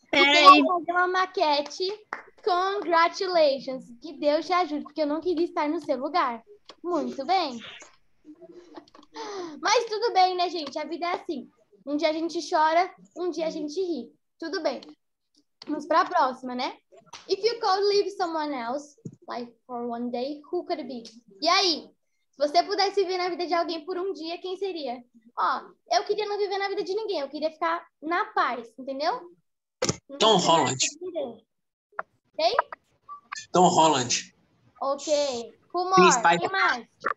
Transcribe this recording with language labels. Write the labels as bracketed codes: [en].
[pt] Peraí. Fazer uma maquete. Congratulations. Que Deus te ajude, porque eu não queria estar no seu lugar. Muito bem. Mas tudo bem, né, gente? A vida é assim. Um dia a gente chora, um dia a gente ri. Tudo bem. Vamos para a próxima, né? [en] If you could leave someone else, like, for one day, who could it be? [pt] E aí? Se você pudesse viver na vida de alguém por um dia, quem seria? Ó, eu queria não viver na vida de ninguém. Eu queria ficar na paz, entendeu? Tom Holland. Ok? Tom Holland. [en] Ok. Who more? [pt] Quem mais?